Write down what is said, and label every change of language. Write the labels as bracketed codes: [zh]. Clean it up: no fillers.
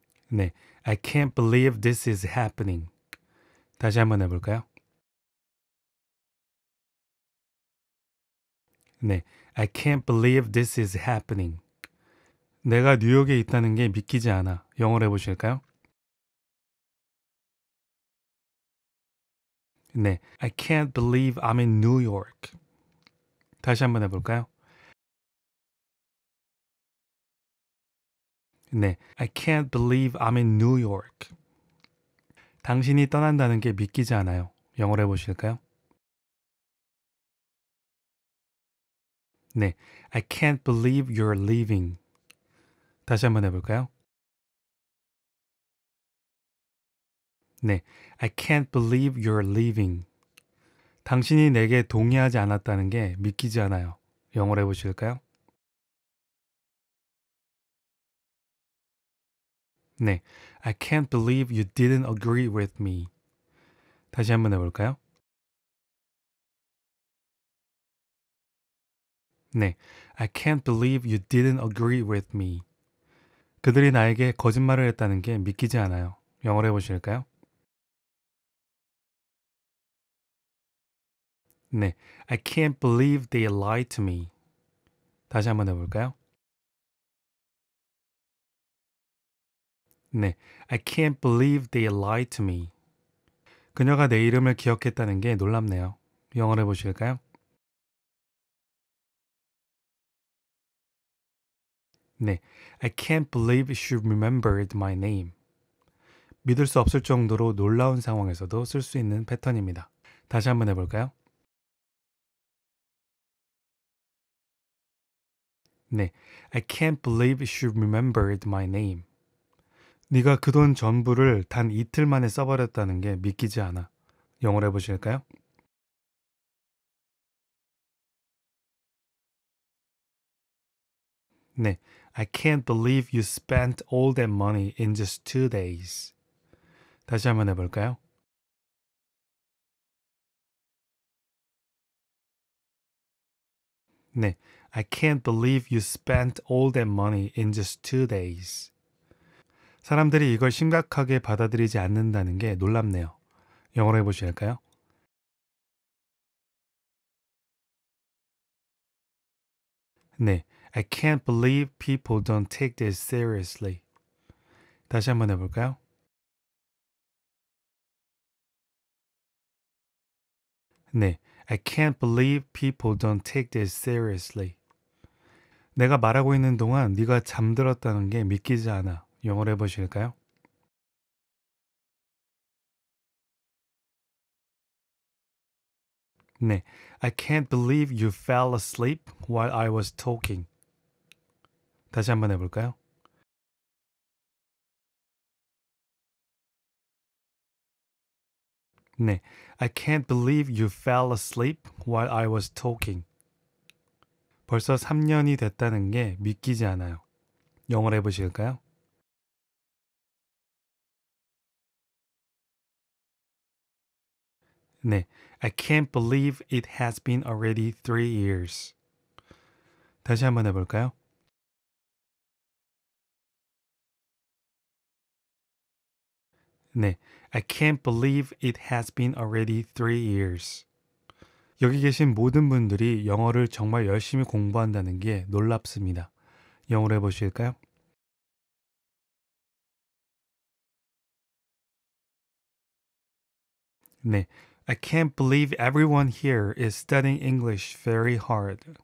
[en] 네, I can't believe this is happening. [ko] 다시 한번 해볼까요? [en] 네, I can't believe this is happening. [ko] 내가 뉴욕에 있다는 게 믿기지 않아. 영어로 해보실까요? [en] 네, I can't believe I'm in New York. [ko] 다시 한번 해볼까요? [en] 네, I can't believe I'm in New York. [ko] 당신이 떠난다는 게 믿기지 않아요. 영어로 해보실까요? [en] 네, I can't believe you're leaving. [ko] 다시 한번 해볼까요? [en] 네, I can't believe you're leaving. [ko] 당신이 내게 동의하지 않았다는 게 믿기지 않아요. 영어로 해보실까요? [en] 네, I can't believe you didn't agree with me. [ko] 다시 한번 해볼까요? [en] 네, I can't believe you didn't agree with me. [ko] 그들이 나에게 거짓말을 했다는 게 믿기지 않아요. 영어로 해보실까요? [en] 네, I can't believe they lied to me. [ko] 다시 한번 해볼까요? [en] 네, I can't believe they lied to me. [ko] 그녀가 내 이름을 기억했다는 게 놀랍네요. 영어로 해보실까요? [en] I can't believe she remembered my name. [ko] 믿을 수 없을 정도로 놀라운 상황에서도 쓸 수 있는 패턴입니다. 다시 한번 해볼까요? [en] 네, I can't believe she remembered my name. [ko] 네가 그 돈 전부를 단 이틀 만에 써버렸다는 게 믿기지 않아. 영어로 해보실까요? [en] I can't believe you spent all that money in just 2 days. [ko] 다시 한번 해볼까요? [en] 네, I can't believe you spent all that money in just 2 days. [ko] 사람들이 이걸 심각하게 받아들이지 않는다는 게 놀랍네요. 영어로 해보실까요? [en] I can't believe people don't take this seriously. [ko] 다시 한번 해볼까요? [en] 네, I can't believe people don't take this seriously. [ko] 내가 말하고 있는 동안 네가 잠들었다는 게 믿기지 않아. 영어로 해보실까요? [en] I can't believe you fell asleep while I was talking. [ko] 다시 한번 해볼까요? [en] 네, I can't believe you fell asleep while I was talking. [ko] 벌써 3년이 됐다는 게 믿기지 않아요. 영어로 해보실까요? [en] 네, I can't believe it has been already 3 years. [ko] 다시 한번 해볼까요? [en] 네, I can't believe it has been already 3 years. [ko] 여기 계신 모든 분들이 영어를 정말 열심히 공부한다는 게 놀랍습니다. 영어로 해보실까요? [en] 네, I can't believe everyone here is studying English very hard.